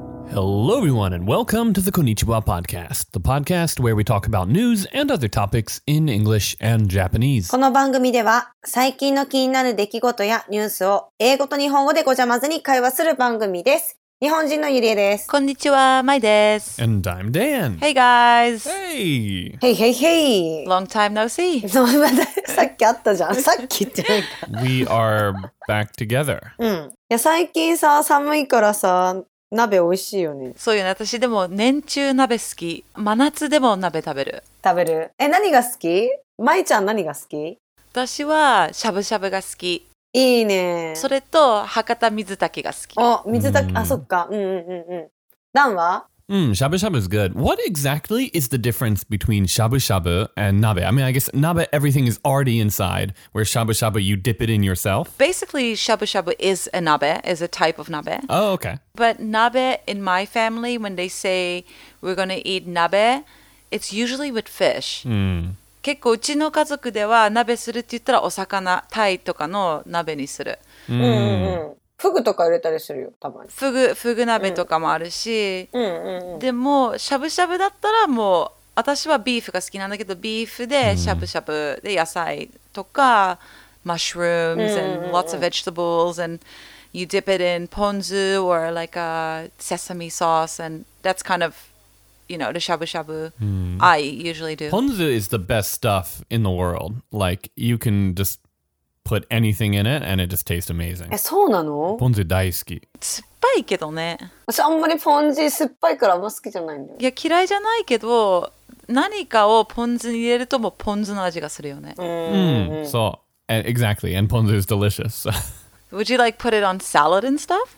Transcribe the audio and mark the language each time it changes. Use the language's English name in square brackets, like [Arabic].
[English] Hello everyone and welcome to the Konnichiwa Podcast, the podcast where we talk about news and other topics in English and Japanese. [Japanese] この番組では最近の気になる出来事やニュースを英語と日本語でごちゃ混ぜに会話する番組です。日本人のゆりえです。こんにちは、まいです。 [English] And I'm Dan. Hey guys. Hey. Hey, hey, hey. Long time no see. [Japanese] そう、さっきあったじゃん。さっきって。 [English] We are back together. [Japanese] うん。いや、最近さ、寒いからさ、鍋美味しいよね。そうよね。私でも年中鍋好き。真夏でも鍋食べる。食べる。え、何が好き？まいちゃん何が好き？私はしゃぶしゃぶが好き。いいね。それと博多水炊きが好き。お、水炊き、あ、そっか。うんうんうんうん。ダンは？ [English] うん、しゃぶしゃぶ is good. What exactly is the difference between しゃぶしゃぶ and 鍋? I mean, I guess 鍋, everything is already inside, where しゃぶしゃぶ, you dip it in yourself. Basically, しゃぶしゃぶ is a 鍋, is a type of 鍋. Oh, okay. But 鍋 in my family, when they say we're gonna eat 鍋, it's usually with fish. [Japanese] うん。結構うちの家族では鍋するって言ったらお魚、タイとかの鍋にする。うんうんうん。フグとか入れたりするよ、たまに。フグ鍋とかもあるし。うんうんうんうん、でも、しゃぶしゃぶだったらもう、私はビーフが好きなんだけど、ビーフでしゃぶしゃぶで野菜とか、うん、 [English] mushrooms and lots of vegetables and you dip it in ponzu or like a sesame sauce and that's kind of... You know, the shabu shabu、 mm. I usually do. Ponzu is the best stuff in the world. Like, you can just put anything in it and it just tastes amazing. [Japanese] え、そうなの? Ponzu 大好き。酸っぱいけどね。私あんまりポン酢酸っぱいからあんま好きじゃないんだよ。いや、嫌いじゃないけど、何かをポン酢に入れるともうポン酢の味がするよね。うん、 [English] そう。Exactly. And ponzu is delicious. Would you like put it on salad and stuff?